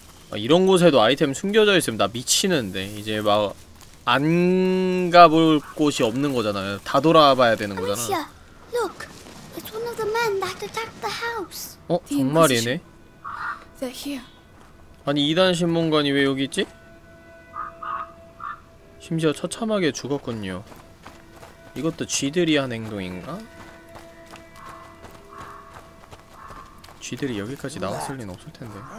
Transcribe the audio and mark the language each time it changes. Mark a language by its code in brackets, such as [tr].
[ko] 아, 이런 곳에도 아이템 숨겨져 있으면 나 미치는데. 이제 막 안 가볼 곳이 없는 거잖아요. 다 돌아봐야 되는 거잖아. [en] Amicia, look. It's one of the men that attacked the house. [ko] 어, 정말이네. [en] They're here. [ko] 아니, 이단 신문관이 왜 여기 있지? 심지어 처참하게 죽었군요. 이것도 쥐들이 한 행동인가? 쥐들이 여기까지 나왔을 리는 없을 텐데.